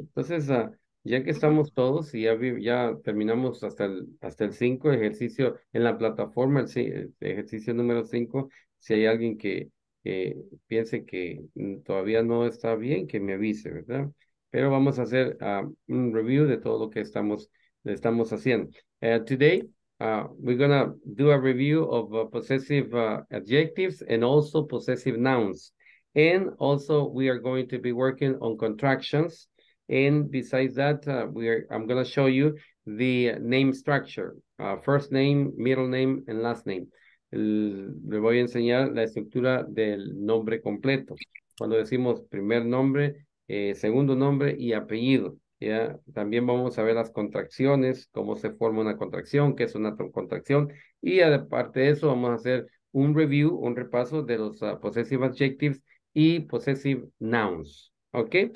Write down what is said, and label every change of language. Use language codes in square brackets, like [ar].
[es] Entonces, ya que estamos todos y ya terminamos hasta el 5 ejercicio en la plataforma, el ejercicio número 5, si hay alguien que piense que todavía no está bien, que me avise, ¿verdad? Pero vamos a hacer un review de todo lo que estamos haciendo. [en] Today, we're going to do a review of possessive adjectives and also possessive nouns. And also, we are going to be working on contractions. And besides that, I'm going to show you the name structure. First name, middle name, and last name. [es] Le voy a enseñar la estructura del nombre completo. Cuando decimos primer nombre, segundo nombre y apellido. Ya, también vamos a ver las contracciones, cómo se forma una contracción, qué es una contracción. Y aparte de eso, vamos a hacer un review, un repaso de los possessive adjectives y possessive nouns. ¿Ok?